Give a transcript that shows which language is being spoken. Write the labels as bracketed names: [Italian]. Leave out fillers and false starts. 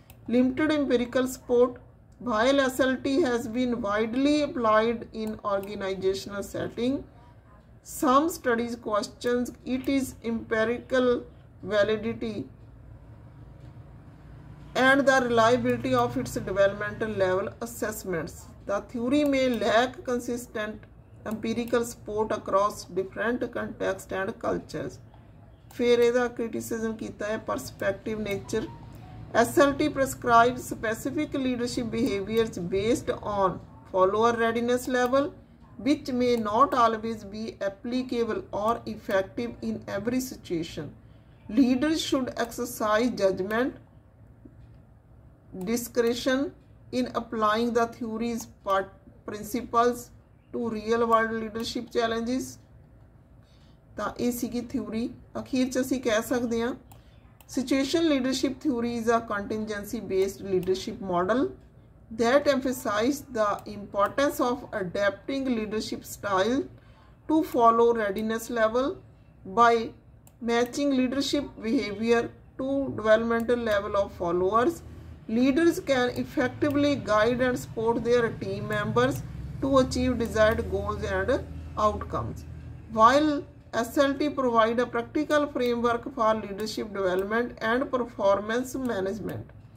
[English] Limited empirical support, while SLT has been widely applied in organisational setting, some studies questions it is empirical validity and the reliability of its developmental level assessments. The theory may lack consistent empirical support across different contexts and cultures. [Punjabi] ਫਿਰ ਇਹਦਾ criticism ਕੀਤਾ ਹੈ [English] Perspective nature SLT prescribes specific leadership behaviors based on follower readiness level, which may not always be applicable or effective in every situation. Leaders should exercise judgment, discretion in applying the theory's principles to real-world leadership challenges. [Punjabi] ਤਾਂ ਇਹ ਸੀਗੀ theory. ਅਖੀਰ 'ਚ ਅਸੀਂ ਕਹਿ ਸਕਦੇ ਹਾਂ [English] Situation leadership theory is a contingency based leadership model that emphasise the importance of adapting leadership style to follow readiness level by matching leadership behaviour to developmental level of followers leaders can effectively guide and support their team members to achieve desired goals and outcomes while SLT provide a practical framework for leadership development and performance management.